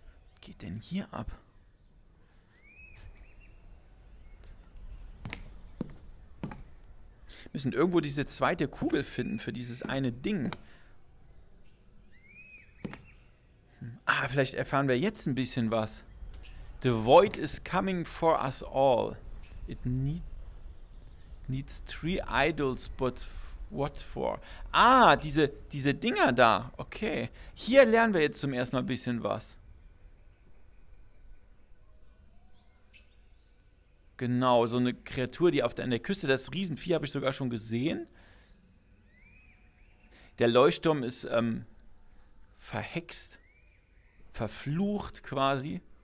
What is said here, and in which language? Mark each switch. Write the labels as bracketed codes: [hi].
[de] Was geht denn hier ab? Wir müssen irgendwo diese zweite Kugel finden für dieses eine Ding. Ah, vielleicht erfahren wir jetzt ein bisschen was. [en] The void is coming for us all. It needs three idols, but what for? [de] Ah, diese Dinger da. Okay. Hier lernen wir jetzt zum ersten Mal ein bisschen was. Genau, so eine Kreatur, die an der Küste, das Riesenvieh habe ich sogar schon gesehen. Der Leuchtturm ist verhext. Verflucht quasi.